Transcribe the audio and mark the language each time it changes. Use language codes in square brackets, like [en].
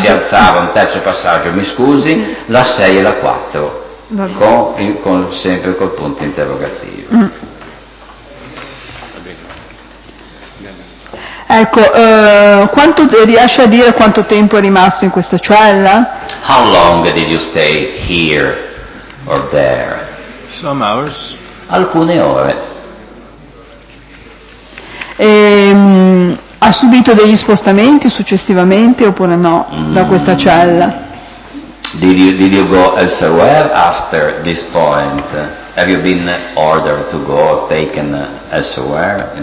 [it] Si alzava un terzo passaggio, mi scusi, la 6 e la 4, con sempre col punto interrogativo. Mm. Ecco, quanto riesce a dire quanto tempo è rimasto in questa cella? [en] How long did you stay here or there? Some hours. [it] Alcune ore. Ha subito degli spostamenti successivamente oppure no, da questa cella? [en] Did you go elsewhere after this point? Have you been ordered to go or taken elsewhere?